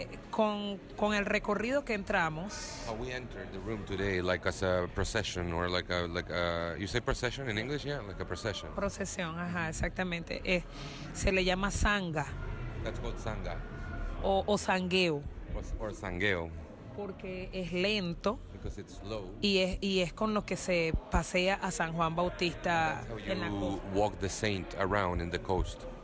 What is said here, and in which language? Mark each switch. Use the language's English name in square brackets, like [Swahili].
[Spanish] Con el recorrido que entramos. [English] How we entered the room today, like as a procession or like a you say procession in English, yeah, like a procession. [Spanish] Procesión, ajá, exactamente. Se le llama sanga. [English] That's called sanga. [Spanish] O sangueo. [English] or sangueo. [Spanish] Porque es lento. [English] Because it's slow. [Spanish] Y es con lo que se pasea a San Juan Bautista en la costa. [English] That's how you walk the saint around in the coast.